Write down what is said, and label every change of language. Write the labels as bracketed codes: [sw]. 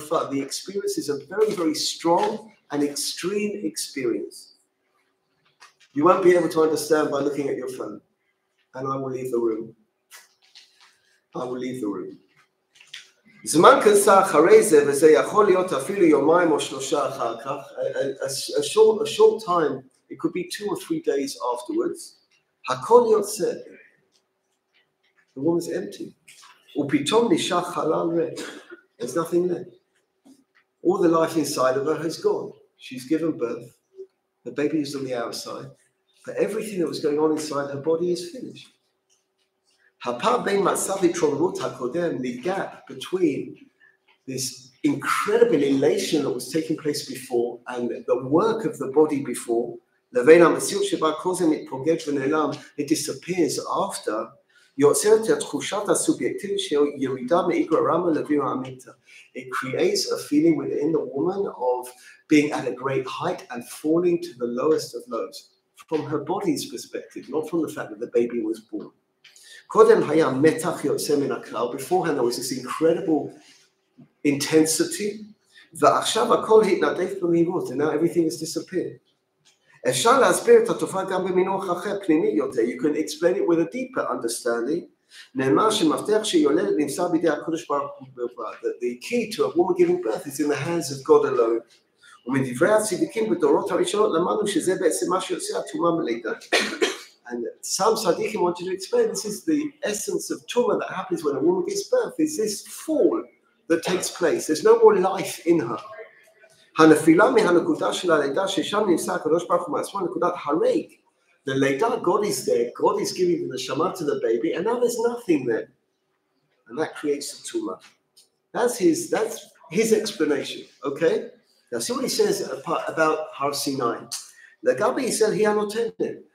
[en] The experience is a very, very strong and extreme experience. You won't be able to understand by looking at your phone. And I will leave the room. [he] זמן קצר אחרי זה, וזה יכול להיות אפילו יומיים או שלושה אחר כך. [en] A short time, it could be 2 or 3 days afterwards. [he] הכל יוצא. [en] The room is empty. [he] ופתאום נשאר חלל ריק. [en] There's nothing left. All the life inside of her has gone. She's given birth. The baby is on the outside. But everything that was going on inside her body is finished. [he] הפער בין מצב התרוממות הקודם לגאפ [en] between this incredible elation that was taking place before and the work of the body before, [he] לבין המציאות שבה כל זה מתפוגג ונעלם, [en] it disappears after, [he] יוצר את התחושת הסובייקטיב של ירידה מאיגרא רמא לביר עמיתא. [en] It creates a feeling within the woman of being at a great height and falling to the lowest of lows, from her body's perspective, not from the fact that the baby was born. [he] קודם היה מתח יוצא מן הכלל, [en] beforehand there was this incredible intensity, [he] ועכשיו הכל התנדף במהירות, [en] and now everything has disappeared. [he] אפשר להסביר את התופעה גם במינוח אחר, פנימי יותר. [en] You can explain it with a deeper understanding. [he] נאמר שמפתח שיולדת נמצא בידי הקודש ברוך הוא בלבד. [en] The key to a woman giving birth is in the hands of God alone. [he] ומדברי הצדיקים בדורות הראשונות למדנו שזה בעצם מה שיוצא התאומה מלידה. [en] And some tzaddikim wanted to explain, this is the essence of tumah that happens when a woman gives birth, is this fall that takes place. There's no more life in her. [he] הנפילה מהנקודה של הלידה ששם נמצא הקדוש ברוך הוא מעצמו, נקודת הריק. [en] The lady, God is there, God is giving the neshama to the baby, and now there's nothing there. And that creates the tumah. That's his explanation, okay? Now see what he says about Har Sinai. Lagabi said he anotended.